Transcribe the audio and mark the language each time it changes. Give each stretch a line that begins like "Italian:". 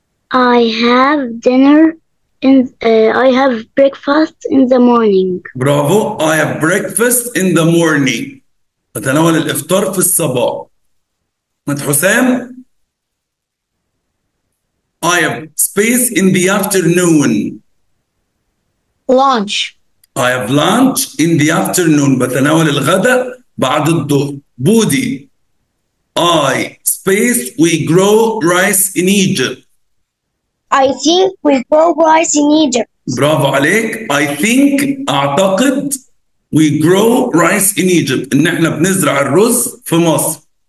English: I have dinner in I have breakfast in the morning. Bravo. I have breakfast in the morning.
Arabic: أتناول الإفطار في الصباح.
English: مد حسام I have space in the afternoon. Lunch. I have lunch in the afternoon.
Arabic: بتناول الغداء بعد الظهر.
English: بودي I space we grow rice in Egypt. I think we grow rice in Egypt.
Arabic: برافو عليك.
English: I think
Arabic: أعتقد
English: we grow rice in Egypt
Arabic: إن إحنا بنزرع الرز في مصر.